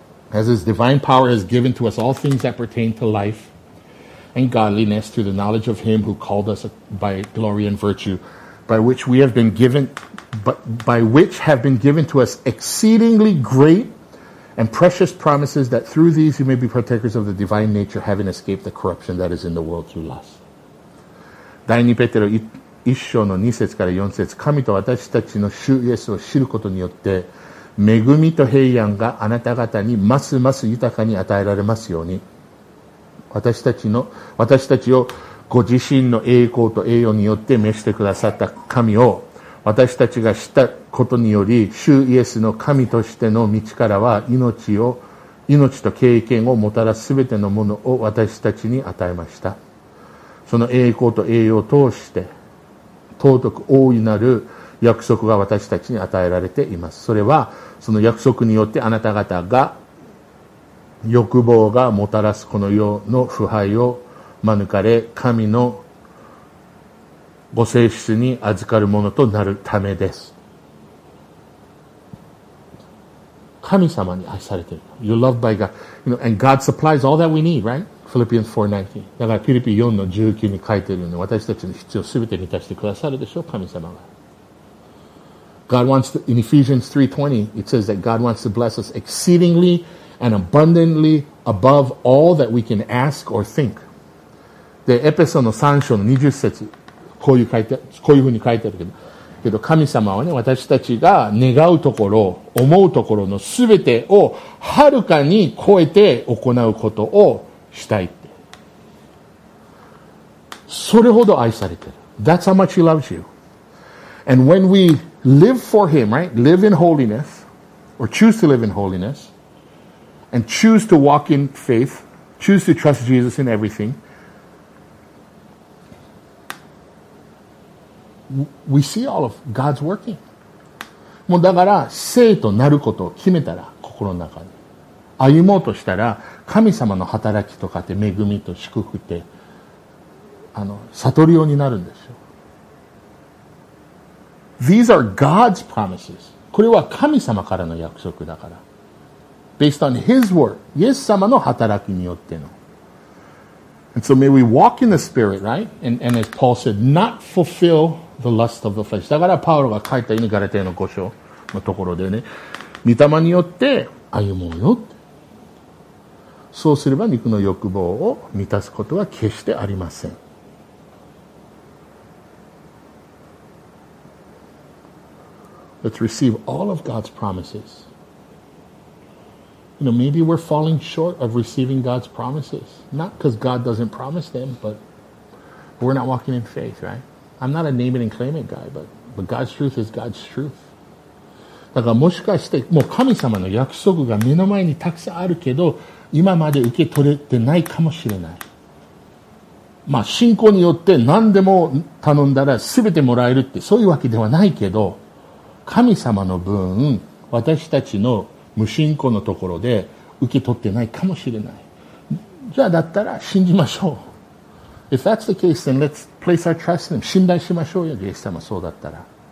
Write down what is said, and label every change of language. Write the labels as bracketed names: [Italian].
[English] As his divine power has given to us all things that pertain to life and godliness through the knowledge of him who called us by glory and virtue, by which we have been given, by which have been given to us exceedingly great and precious promises, that through these you may be partakers of the divine nature, having escaped the corruption that is in the world through lust. [Japanese] 第2ペテロ1章の2節から4節、神と私たちの主イエスを知ることによって恵みと平安があなた方にますます豊かに与えられますように、私たちをご自身の栄光と栄誉によって召してくださった神を、私たちが知ったことにより主イエスの神としての道からは命と経験をもたらすべてのものを私たちに与えました。その栄光と栄誉を通して尊く大いなる約束が私たちに与えられています。それはその約束によってあなた方が欲望がもたらすこの世の腐敗を免れ、神のご性質に預かるものとなるためです。神様に愛されている。 [English] You're loved by God, you know, and God supplies all that we need, right? Philippians 4:19. [Japanese] だからフィリピ4の19に書いているように、私たちの必要すべて満たしてくださるでしょう、神様が。 [English] God wants to, in Ephesians 3:20, it says that God wants to bless us exceedingly and abundantly above all that we can ask or think. [Japanese] で、エペソの3章の20節、こういうふうに書いてあるけど、神様はね、私たちが願うところ、思うところのすべてをはるかに超えて行うことをしたいって。それほど愛されてる。 [English] That's how much he loves you. And when we live for him, right? Live in holiness, or choose to live in holiness, and choose to walk in faith, choose to trust Jesus in everything, We see all of God's working. [Japanese] もうだから聖となることを決めたら、心の中に歩もうとしたら、神様の働きとかって恵みと祝福って悟るようになるんですよ。 [English] These are God's promises. [Japanese] これは神様からの約束だから、 [English] Based on His word, [Japanese] イエス様の働きによっての。 [English] And so may we walk in the Spirit, right? And as Paul said, not fulfill the lust of the flesh. [Japanese] だからパウロが書いたようにガラテヤの5章のところでね、御霊によって歩もうよって。そうすれば肉の欲望を満たすことは決してありません。 [English] Let's receive all of God's promises. You know, maybe we're falling short of receiving God's promises. Not because God doesn't promise them, but we're not walking in faith, right? I'm not a name it and claim it guy, but God's truth is God's truth. [Japanese] だからもしかして、もう神様の約束が目の前にたくさんあるけど、今まで受け取れてないかもしれない。まあ信仰によって何でも頼んだら全てもらえるってそういうわけではないけど、神様の分、私たちの無信仰のところで受け取ってないかもしれない。じゃあだったら信じましょう。 [English] If that's the case, then let's place our trust in him. [Japanese] 信頼しましょうよ、イエス様、そうだったら。